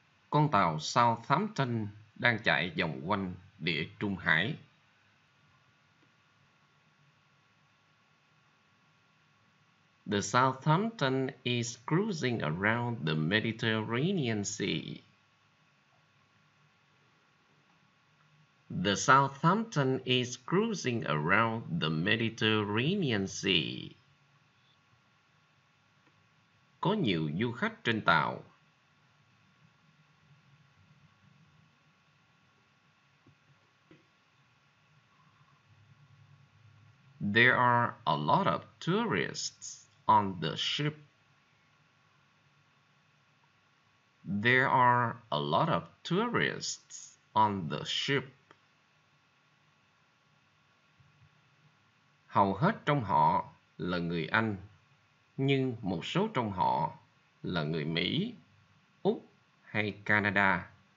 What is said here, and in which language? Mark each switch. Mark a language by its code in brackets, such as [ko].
[vi] Con tàu Southampton đang chạy vòng quanh địa Trung Hải. [en] The Southampton is cruising around the Mediterranean Sea. The Southampton is cruising around the Mediterranean Sea. [vi] Có nhiều du khách trên tàu. [en] There are a lot of tourists on the ship. There are a lot of tourists on the ship. [vi] Hầu hết trong họ là người Anh, nhưng một số trong họ là người Mỹ, Úc hay Canada.